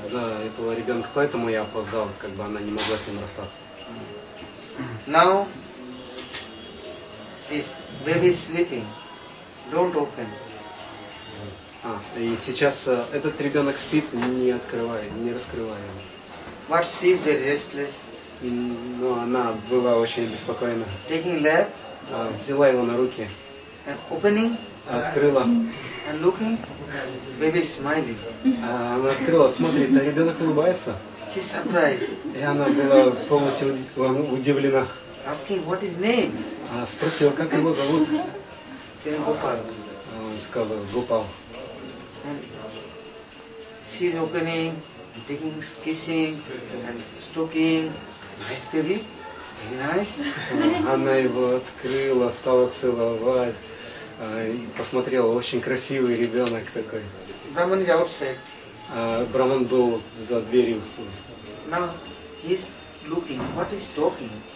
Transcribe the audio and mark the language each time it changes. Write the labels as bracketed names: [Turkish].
[Russian] Да, этого ребенка, поэтому я опоздал, как бы она не могла с ним расстаться. [English] Now this baby is sleeping. Don't open. [Russian] И сейчас этот ребенок спит, не открывая, не раскрывая. [English] What she is very restless. [Russian] Но она была очень беспокойна. [English] Taking lap. [Russian] Взяла его на руки. [English] And opening, [Russian] открыла. [English] And looking, baby smiling. [Russian] Она открыла, смотрит, а ребенок улыбается. [English] She surprised. [Russian] И она была полностью удивлена. [English] Asking what his name. [Russian] Спросила, как его зовут. [English] Then Gopal. [Russian] Он сказал, Gopal. [English] She is opening, taking, kissing, and stroking, nice baby, very nice. [Russian] Она его открыла, стала целовать, посмотрела, очень красивый ребенок такой. Браман был outside. Браман был за дверью. [English] Now he's looking, what is talking?